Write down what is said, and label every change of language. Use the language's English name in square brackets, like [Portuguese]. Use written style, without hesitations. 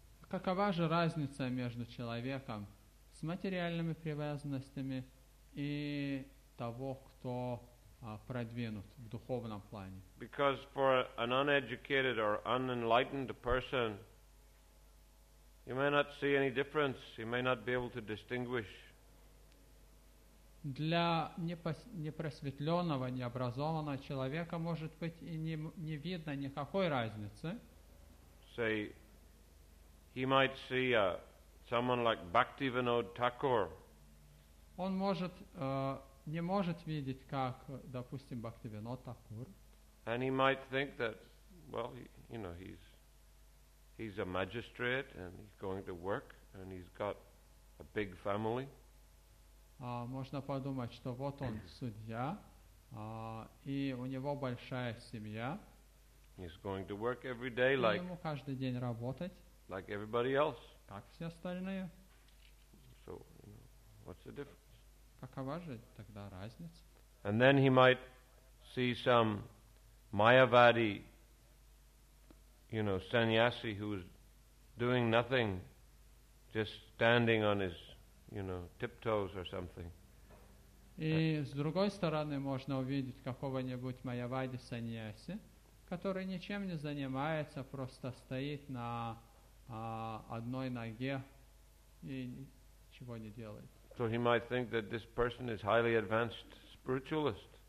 [Russian] Какова же разница между человеком с материальными привязанностями и того, кто продвинут в духовном плане? [English] Because for an uneducated or unenlightened person, you may not see any difference. You may not be able to distinguish. [Russian] Для непросветленного, необразованного человека может быть и не видно никакой разницы. [English] Say, he might see someone like Bhaktivinoda Thakur. [Russian] Он может не может видеть, как, допустим, Бхактивинода Такур. [English] And he might think that, well, he's a magistrate and he's going to work and he's got a big family. [Russian] Можно подумать, что вот он судья, и у него большая семья. [English] He's going to work every day like, [Russian] ему каждый день работать, [English] like everybody else. [Russian] Как все остальные. [English] So, what's the difference? [Russian] Какова же тогда разница? [English] And then he might see some Mayavadi, sannyasi who's doing nothing, just standing on his tiptoes or something. [Russian] И с другой стороны можно увидеть какого-нибудь майявади саньяси, который ничем не занимается, просто стоит на одной ноге и ничего не делает. [English] So he might think that this person is highly advanced spiritualist.